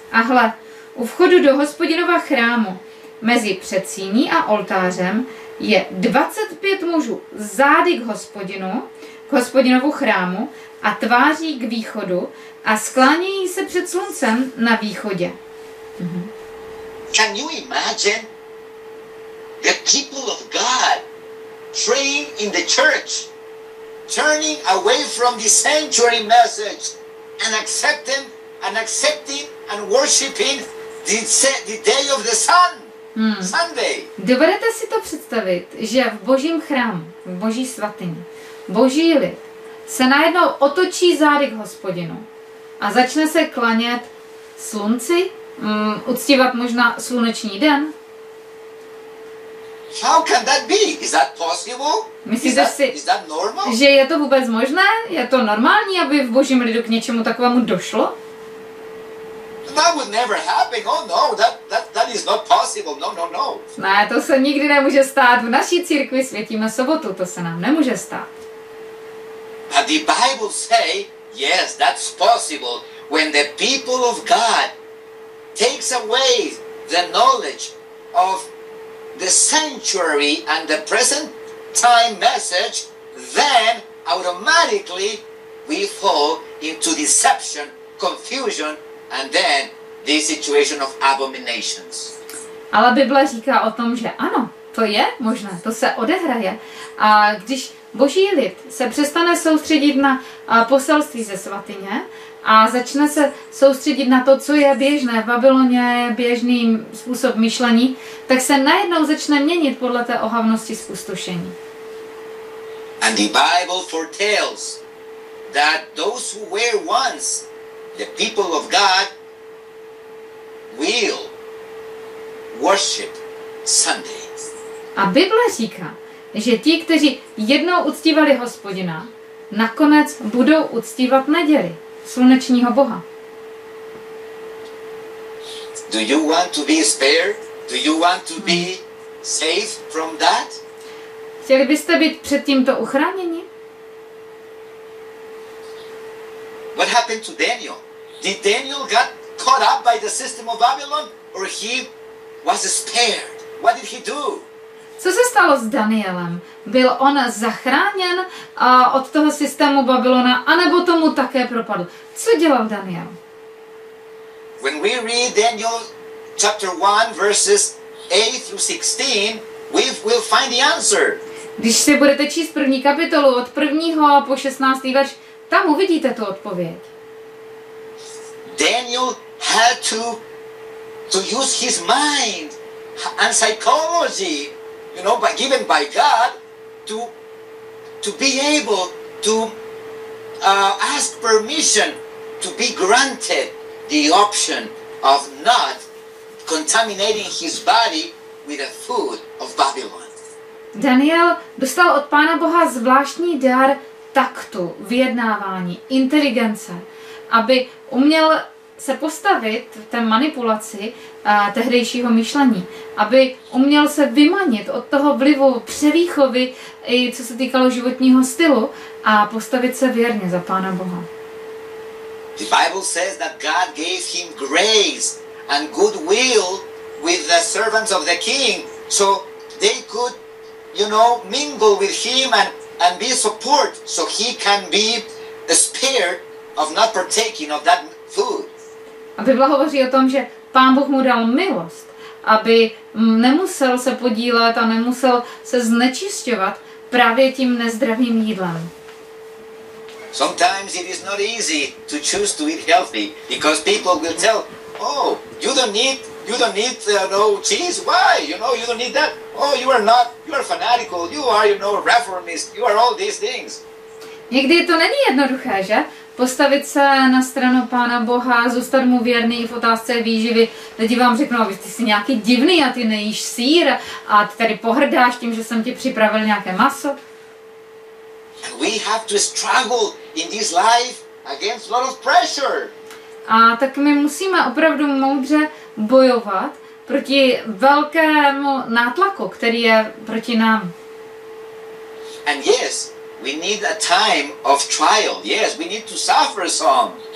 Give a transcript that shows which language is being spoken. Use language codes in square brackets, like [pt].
[cs] A hle, u vchodu do Hospodinova chrámu, mezi předsíní a oltářem, je 25 mužů zády k Hospodinu, k Hospodinovu chrámu, a tváří k východu a sklánějí se před sluncem na východě. [en] Can you imagine the people of God praying in the church, turning away from the sanctuary message and accepting and worshiping the day of the sun, Sunday? [cs] Dovedete si to představit, že v Božím chrámu, v Boží svatyni, Boží lid se najednou otočí zády k Hospodinu a začne se klanět slunci, uctívat možná sluneční den? [en] How can that be? Is that possible? [cs] Myslíte si, že je to vůbec možné? Je to normální, aby v Božím lidu k něčemu takovému došlo? [en] That would never happen. Oh no, that is not possible. No. [cs] Ne, to se nikdy nemůže stát. V naší církvi světíme sobotu, to se nám nemůže stát. [en] But the Bible say, yes, that's possible when the people of God takes away the knowledge of the sanctuary and the present time message, then automatically we fall into deception, confusion, and then this situation of abominations. [cs] Ale Bible říká o tom, že ano, to je možné, to se odehraje. A když Boží lid se přestane soustředit na poselství ze svatyně a začne se soustředit na to, co je běžné v Babyloně, běžný způsob myšlení, tak se najednou začne měnit podle té ohavnosti zpustošení. [en] And the Bible foretells that those who were once the people of God will worship Sunday. [cs] A Bible říká, že ti, kteří jednou uctívali Hospodina, nakonec budou uctívat neděli, slunečního Boha. [en] Do you want to be spared? Do you want to be safe from that? [cs] Chtěli byste být před tímto uchráněni? [en] What happened to Daniel? Did Daniel got caught up by the system of Babylon, or he was spared? What did he do? [cs] Co se stalo s Danielem? Byl on zachráněn od toho systému Babylona, anebo tomu také propadl? Co dělal Daniel? [en] When we read Daniel chapter 1 verses 8 through 16, we'll find the answer. [cs] Když si budete číst první kapitolu od 1. po 16. verš, tam uvidíte tu odpověď. [en] Daniel had to use his mind and psychology, you know, by given by God to be able to ask permission to be granted the option of not contaminating his body with the food of Babylon. [cs] Daniel dostal od Pána Boha zvláštní dar taktu, vyjednávání, inteligence, aby uměl se postavit v té manipulaci tehdejšího myšlení, aby uměl se vymanit od toho vlivu převýchovy, i co se týkalo životního stylu, a postavit se věrně za Pána Boha. [en] The Bible says that God gave him grace and goodwill with the servants of the king, so they could, you know, mingle with him and be support, so he can be spared of not partaking of that food. [cs] A Bible hovoří o tom, že Pán Bůh mu dal milost, aby nemusel se podílet a nemusel se znečišťovat právě tím nezdravým jídlem. [en] Sometimes it is not easy to choose to eat healthy, because people will tell, oh, you don't need no cheese. Why? You know, you don't need that. Oh, you are not. You are fanatical. You are, you know, reformist. You are all these things. [cs] Někdy to není jednoduché, že? Postavit se na stranu Pána Boha, zůstat mu věrný v otázce výživy. Lidi vám řeknou, že ty jsi nějaký divný a ty nejíš sýr a ty tady pohrdáš tím, že jsem ti připravil nějaké maso. [en] And we have to struggle in this life against a lot of pressure. [cs] A tak my musíme opravdu moudře bojovat proti velkému nátlaku, který je proti nám. [en] And yes, we need a time of trial. Yes, we need to suffer some.